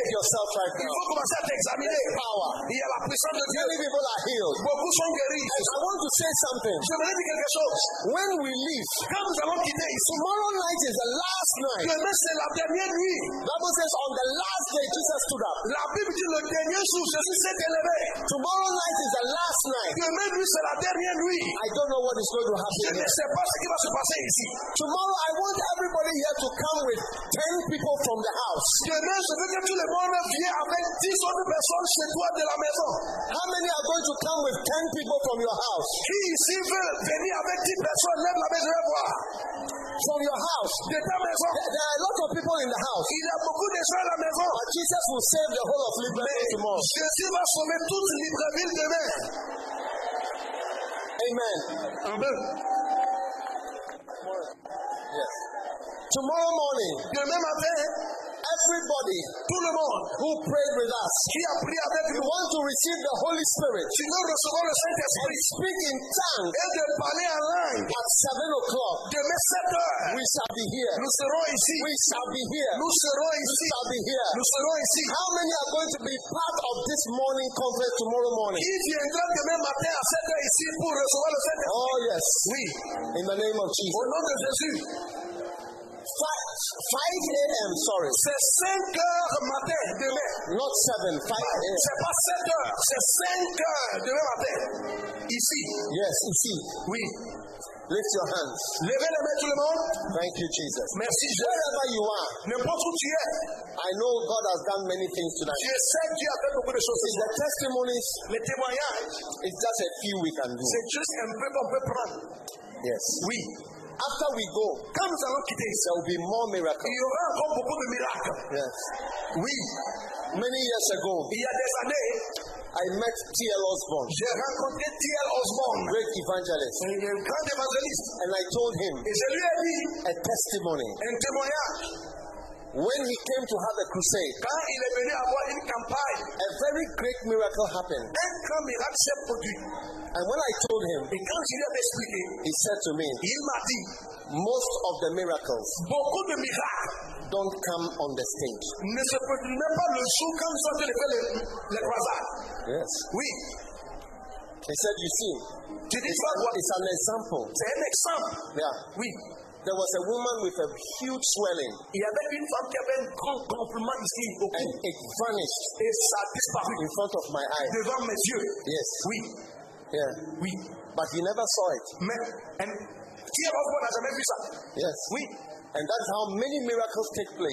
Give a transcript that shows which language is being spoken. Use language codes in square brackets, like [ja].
[en] Check yourself right now. [fr] Il faut commencer à t'examiner. [en] Power. [fr] Il y a la puissance de Dieu. [en] Many people are healed. [fr] Beaucoup sont guéris. [en] I want to say something. [fr] Je voudrais dire quelque chose. [en] When we leave, [fr] quand nous allons quitter, [en] tomorrow night is the last night. [fr] Demain c'est la dernière nuit. [en] The Bible says on the last day Jesus stood up. [fr] La Bible dit le dernier jour Jésus s'est élevé. [en] Tomorrow night is the last night. [fr] Demain nuit c'est la dernière nuit. [en] I don't know what is going to happen. [fr] Je ne sais pas ce qui va se passer ici. [en] Tomorrow I want everybody here to come with 10 people from the house. [fr] Demain je veux que tout le monde vienne avec 10 autres personnes chez toi de la maison. [en] How many are going to come with 10 people from your house? [fr] Qui ici veut venir avec 10 personnes? Lève la main, je vais voir. [en] From your house. [fr] De ta maison. [en] There are a lot of people in the house. [fr] Il y a beaucoup de gens à la maison. [en] But Jesus will save the whole of Libreville tomorrow. [fr] Jésus va sauver toute Libreville demain. [en] Amen. [fr] Amen. [en] Yes. Tomorrow morning. [fr] Demain matin. [en] Everybody, [fr] tout le monde, [en] who prayed with us, [fr] qui a prié avec nous, [en] want to receive the Holy Spirit. [fr] Tu veux recevoir le Saint-Esprit. [en] Speak in tongues. [fr] Et de parler en langue. [en] At 7 o'clock, [fr] demain 7 heures, [en] we shall be here. [fr] Nous serons ici. [en] We shall be here. [fr] Nous serons ici. [en] We shall be here. [fr] Nous serons ici. [en] How many are going to be part of this morning conference tomorrow morning? [fr] Qui viendra demain matin à 7 heures ici pour recevoir le Saint-Esprit? [en] Oh yes, [fr] oui. [en] In the name of Jesus. [fr] Au nom de Jésus. [en] 5 a.m. Sorry. [fr] C'est 5 heures matin demain. [en] Not 7, 5 a.m. [fr] C'est pas 7 heures. C'est 5 heures demain matin. Ici. [en] Yes, ici. [fr] Oui. [en] Lift your hands. [fr] Levez les mains tout le monde. [en] Thank you, Jesus. [fr] Merci. [en] Wherever you are. [fr] N'importe où tu es. [en] I know God has done many things tonight. [fr] Je sais que Dieu a fait beaucoup de choses. [en] The testimonies. [fr] Les témoignages. [en] It's just a few we can do. [fr] C'est juste un peu qu'on peut prendre. [en] Yes. [fr] Oui. [en] After we go, [fr] quand nous allons quitter, [en] there will be more miracles. [fr] Il y aura encore beaucoup de miracles. [en] Yes. [fr] Oui. [en] Many years ago, [fr] il y a des années, [en] I met T.L. Osborne. [fr] J'ai rencontré T.L. Osborne, [en] great evangelist. [fr] Un grand évangéliste. [en] And I told him, [fr] et je lui ai dit, [en] a testimony, [fr] un témoignage. [en] When he came to have a crusade, [fr] quand il est venu avoir une campagne, [en] a very great miracle happened. [fr] Un grand miracle s'est produit. [en] And when I told him, [fr] et quand je lui ai expliqué, [en] he said to me, [fr] il m'a dit, [en] most of the miracles, [fr] beaucoup de miracles, [en] don't come on the stage. [fr] Ne se produisent pas le jour quand nous sommes allés faire les croisades. [en] Yes. [fr] Oui. [en] He said, you see, it's an example. [fr] C'est un exemple. [en] Yeah. [fr] Oui. [en] There was a woman with a huge swelling. [fr] Il y avait une femme qui avait un grand gonflement ici au cou. [en] And it vanished. [fr] Et ça a disparu. [en] In front of my eyes. [fr] Devant mes yeux. [en] Yes. [fr] Oui. [en] Yeah. [fr] Oui. [en] But he never saw it. [fr] Mais, and qui a pas vu ça? [en] Yes. [fr] Oui. [en] And that's how many miracles take place.